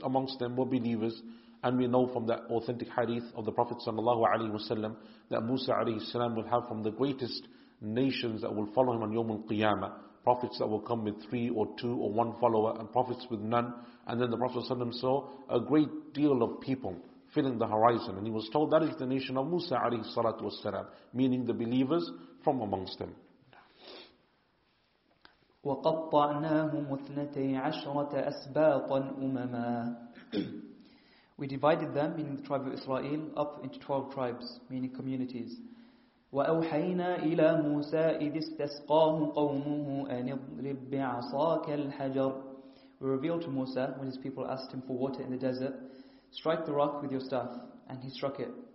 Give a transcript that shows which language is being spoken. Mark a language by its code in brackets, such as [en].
[en] Amongst them were believers. And we know from that authentic hadith of the Prophet sallallahu alayhi wa sallam that Musa alayhi salam will have from the greatest nations that will follow him on Yawm al-Qiyamah, prophets that will come with three or two or one follower, and prophets with none. And then the Prophet saw a great deal of people filling the horizon, and he was told that is the nation of Musa alayhi salatu wasalam, meaning the believers from amongst them. [ar] وَقَطَّعْنَاهُمُ اثْنَتَيْ عَشْرَةَ أَسْبَاطًا أُمَمًا [en] We divided them, meaning the tribe of Israel, up into 12 tribes, meaning communities. [ar] وَأَوْحَيْنَا إِلَى مُوسَىٰ إِذِ اسْتَسْقَاهُ قَوْمُهُ أَنِ اضْرِبْ بِعَصَاكَ الْحَجَرَ [en] We revealed to Musa, when his people asked him for water in the desert, strike the rock with your staff, and he struck it.